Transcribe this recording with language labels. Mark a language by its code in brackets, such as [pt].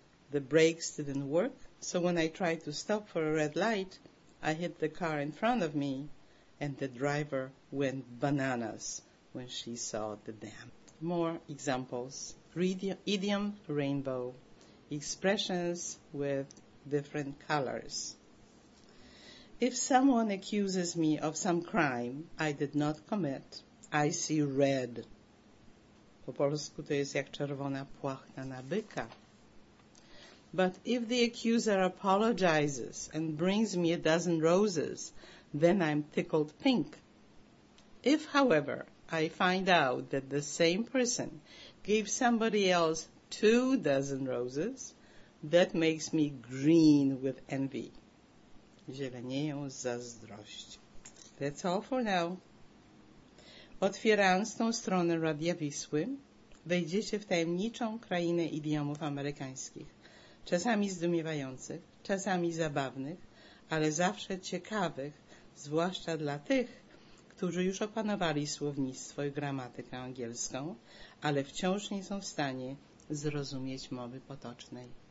[en] The brakes didn't work, so when I tried to stop for a red light, I hit the car in front of me, and the driver went bananas when she saw the dam. More examples. Idiom rainbow. Expressions with different colors. If someone accuses me of some crime I did not commit, I see red. [pl] Po polsku to jest jak czerwona płachta na byka. [en] But if the accuser apologizes and brings me a dozen roses, then I'm tickled pink. If, however, I find out that the same person gave somebody else 2 dozen roses, that makes me green with envy. [pl] Zielenieją z zazdrości. [en] That's all for now. [pl] Otwierając tą stronę Radia Wisły, wejdziecie w tajemniczą krainę idiomów amerykańskich. Czasami zdumiewających, czasami zabawnych, ale zawsze ciekawych, zwłaszcza dla tych, którzy już opanowali słownictwo i gramatykę angielską, ale wciąż nie są w stanie zrozumieć mowy potocznej.